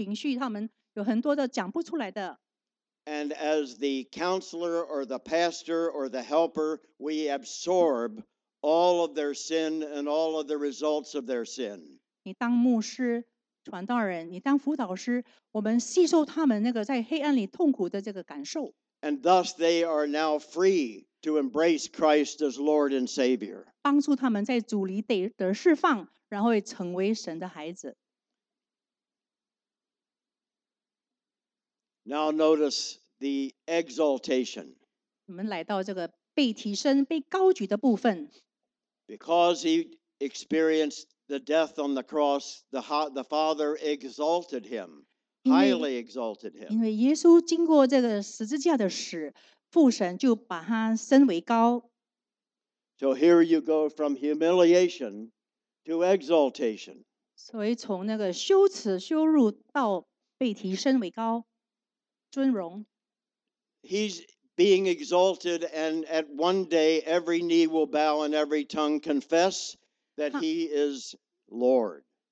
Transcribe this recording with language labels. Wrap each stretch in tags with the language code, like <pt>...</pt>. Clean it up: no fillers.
<zh>这些人他们痛苦的情绪，他们有很多的讲不出来的。</zh> <en>And as the counselor or the pastor or the helper, we absorb all of their sin and all of the results of their sin.</en> <zh>你当牧师、传道人、你当辅导师，我们吸收他们那个在黑暗里痛苦的这个感受。</zh> <en>And thus they are now free to embrace Christ as Lord and Savior.</en> <zh>帮助他们在主里得释放，然后成为神的孩子。</zh> <en>Now notice the exaltation.</en> <zh>我们来到这个被提升、被高举的部分。</zh> <en>Because he experienced the death on the cross, the Father exalted him, highly exalted him.</en> <zh>因为耶稣经过这个十字架的死，父神就把他升为高。</zh> <en>So here you go from humiliation to exaltation.</en> <zh>所以从那个羞耻、羞辱到被提升为高。</zh> <en>He's being exalted, and at one day every knee will bow and every tongue confess that he is Lord.</en>